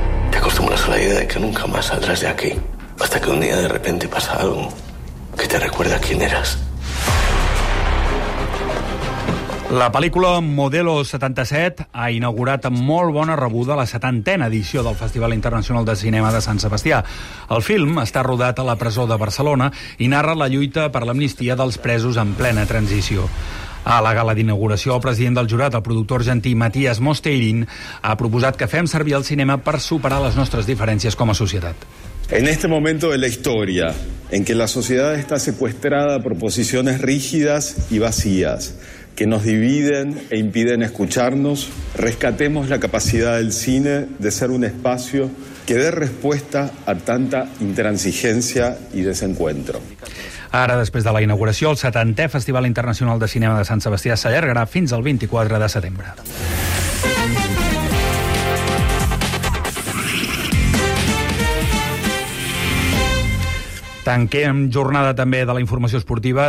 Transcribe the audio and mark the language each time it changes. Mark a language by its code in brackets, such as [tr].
[es] Te acostumbras a la idea de que nunca más saldrás de aquí, hasta que un día de repente pasa algo. Que te recuerda quién eras. [ca] La pel·lícula Modelo 77 ha inaugurat amb molt bona rebuda la 70a edició del Festival Internacional de Cinema de Sant Sebastià. El film està rodat a la presó de Barcelona i narra la lluita per l'amnistia dels presos en plena transició. A la gala d'inauguració, el president del jurat, el productor argentí Matías Mosteirín, ha proposat que fem servir el cinema per superar les nostres diferències com a societat. [es] En este momento de la historia, en que la sociedad está secuestrada por posiciones rígidas y vacías, que nos dividen e impiden escucharnos, rescatemos la capacidad del cine de ser un espacio que dé respuesta a tanta intransigencia y desencuentro. [ca] Ara, després de la inauguració, el 70è Festival Internacional de Cinema de Sant Sebastià s'allargarà fins al 24 de setembre. Tanquem jornada també de la informació esportiva.